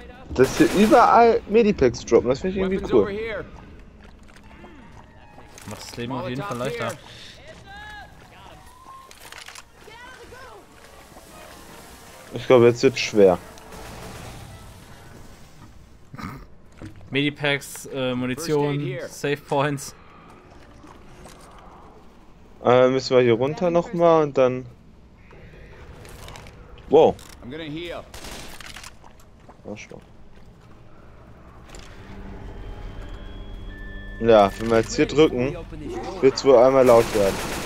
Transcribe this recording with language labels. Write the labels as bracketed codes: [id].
[de] Dass hier überall Medipacks droppen, das finde ich irgendwie cool. Macht das Leben auf jeden Fall leichter. Ich glaube, jetzt wird's schwer. Medipacks, Munition, Safe Points. Müssen wir hier runter nochmal und dann. [en] Wow. I'm gonna heal. [de] Ja, wenn wir jetzt hier drücken, wird es wohl einmal laut werden.